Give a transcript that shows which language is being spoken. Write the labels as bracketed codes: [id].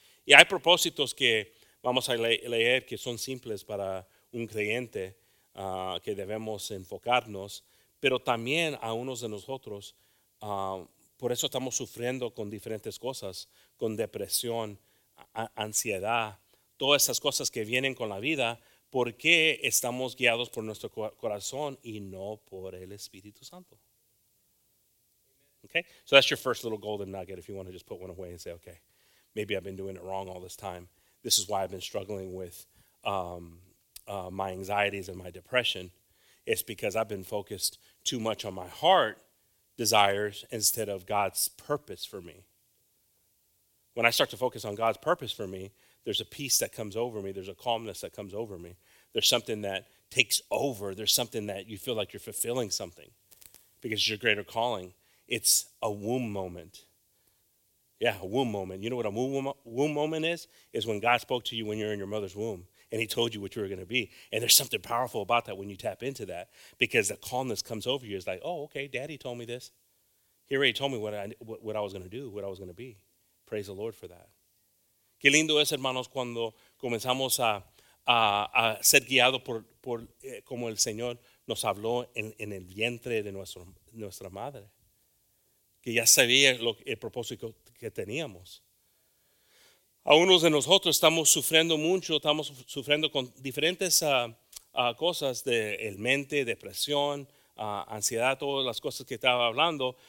[es] Y hay propósitos que vamos a leer que son simples para un creyente que debemos enfocarnos, pero también a unos de nosotros, por eso estamos sufriendo con diferentes cosas, con depresión, ansiedad, todas esas cosas que vienen con la vida, porque estamos guiados por nuestro corazón y no por el Espíritu Santo. [en] Okay, so that's your first little golden nugget if you want to just put one away and say, okay, maybe I've been doing it wrong all this time. This is why I've been struggling with my anxieties and my depression. It's because I've been focused too much on my heart desires instead of God's purpose for me. When I start to focus on God's purpose for me, there's a peace that comes over me. There's a calmness that comes over me. There's something that takes over. There's something that you feel like you're fulfilling something because it's your greater calling. It's a womb moment. Yeah, a womb moment. You know what a womb moment is? Is when God spoke to you when you're in your mother's womb and he told you what you were going to be. And there's something powerful about that when you tap into that, because the calmness comes over you. It's like, oh, okay, daddy told me this. He already told me what I was going to do, what I was going to be. Praise the Lord for that. [es] Qué lindo es, hermanos, cuando comenzamos a ser guiados por como el Señor nos habló en el vientre de nuestra madre. Que ya sabía el propósito que teníamos. A unos de nosotros estamos sufriendo mucho, estamos sufriendo con diferentes cosas de el mente, depresión, ansiedad, todas las cosas que estaba hablando.